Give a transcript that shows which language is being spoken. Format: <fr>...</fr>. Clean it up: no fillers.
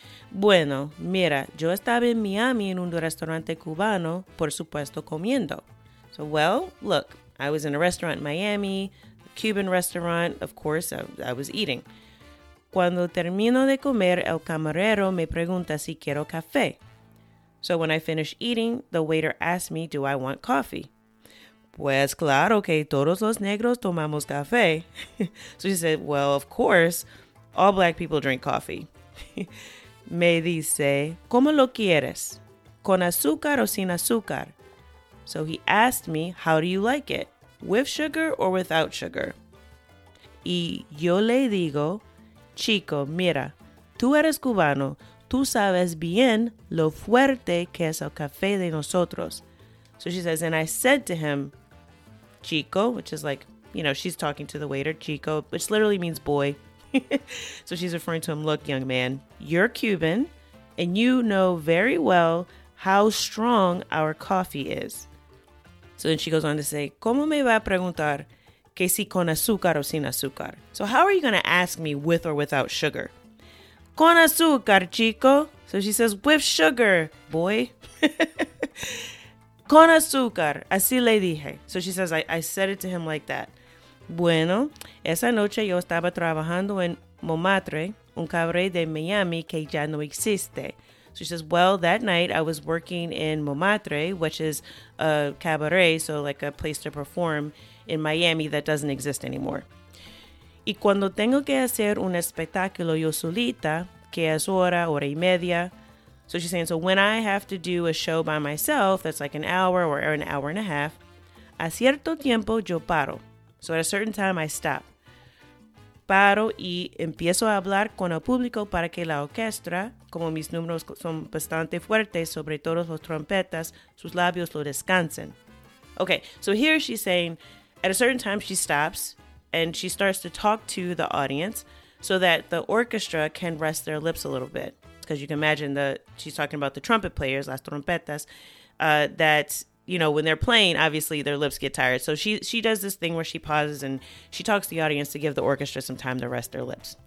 <es>Bueno, mira, yo estaba en Miami en un restaurante cubano, por supuesto, comiendo.</es> <en>So, well, look, I was in a restaurant in Miami, a Cuban restaurant, of course, I was eating.</en> <es>Cuando termino de comer, el camarero me pregunta si quiero café.</es> <en>So when I finish eating, the waiter asked me, do I want coffee?</en> <es>Pues claro que todos los negros tomamos café.</es> <en>So she said, well, of course, all black people drink coffee.</en> <es>Me dice, ¿cómo lo quieres? ¿Con azúcar o sin azúcar?</es> <en>So he asked me, how do you like it? With sugar or without sugar?</en> <es>Y yo le digo, chico, mira, tú eres cubano. Tú sabes bien lo fuerte que es el café de nosotros.</es> <en>So she says, and I said to him, chico, which is like, you know, she's talking to the waiter, chico, which literally means boy. So she's referring to him, look, young man, you're Cuban and you know very well how strong our coffee is. So then she goes on to say,</en> <es>¿cómo me va a preguntar que si con azúcar o sin azúcar?</es> <en>So how are you going to ask me with or without sugar?</en> <es>Con azúcar, chico.</es> <en>So she says, with sugar, boy.</en> <es>Con azúcar, así le dije.</es> <en>So she says, I said it to him like that.</en> <es>Bueno, esa noche yo estaba trabajando en Momatre, un cabaret de Miami que ya no existe.</es> <en>So she says, well, that night I was working in Momatre, which is a cabaret, so like a place to perform in Miami that doesn't exist anymore.</en> <es>Y cuando tengo que hacer un espectáculo yo solita, que es hora, hora y media.</es> <en>So she's saying, so when I have to do a show by myself, that's like an hour or an hour and a half,</en> <es>a cierto tiempo yo paro.</es> <en>So at a certain time, I stop.</en> <es>paro y empiezo a hablar con el público para que la orquesta, como mis números son bastante fuertes, sobre todo los trompetas, sus labios lo descansen.</es> <en>Okay, so here she's saying, at a certain time she stops and she starts to talk to the audience so that the orchestra can rest their lips a little bit. Because you can imagine that she's talking about the trumpet players,</en> <es>las trompetas,</es> <en>that, you know, when they're playing, obviously their lips get tired. So she does this thing where she pauses and she talks to the audience to give the orchestra some time to rest their lips.</en>